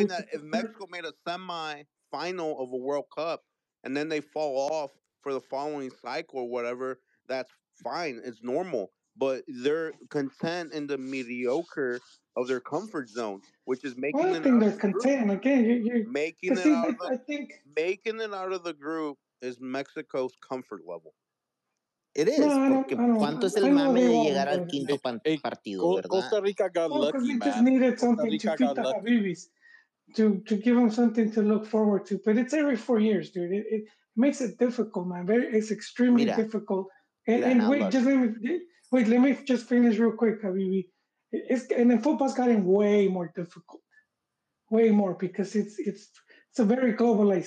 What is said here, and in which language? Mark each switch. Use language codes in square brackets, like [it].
[en] that if Mexico made a semi-final of a World Cup and then they fall off for the following cycle or whatever, that's fine. It's normal. But they're content in the mediocre of their comfort zone, which is making them think they're content again. Making it out of the group is Mexico's comfort level. It is. [es] ¿Cuánto es el mame de llegar al quinto partido, verdad? [en] Costa Rica got lucky, man. They just needed something to beat the Habibis, to give them something to look forward to. But it's every 4 years, dude. It makes it difficult, man. It's extremely difficult. And wait, let me just finish real quick, Habibi. And then football's gotten way more difficult, way more because it's a very globalized